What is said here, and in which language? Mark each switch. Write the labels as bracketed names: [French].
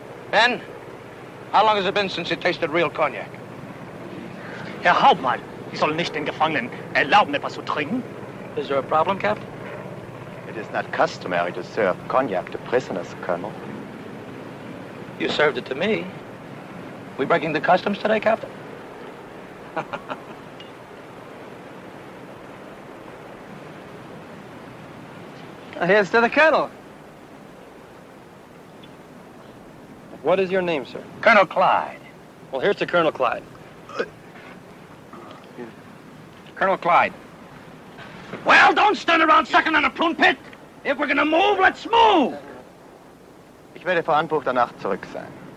[English] Ben, how long has it been since you tasted real cognac? [German] Herr Hauptmann, ich soll nicht den Gefangenen erlauben, etwas zu trinken. [English] Is there a problem, Captain? It is not customary to serve cognac to prisoners, Colonel. You served it to me. We breaking the customs today, Captain? Here's to the Colonel. What is your name, sir? Colonel Clyde. Well, here's to Colonel Clyde. Colonel Clyde. Well, don't stand around sucking on a prune pit. If we're gonna move, let's move. [German] Ich werde vor Anbruch der Nacht zurück sein.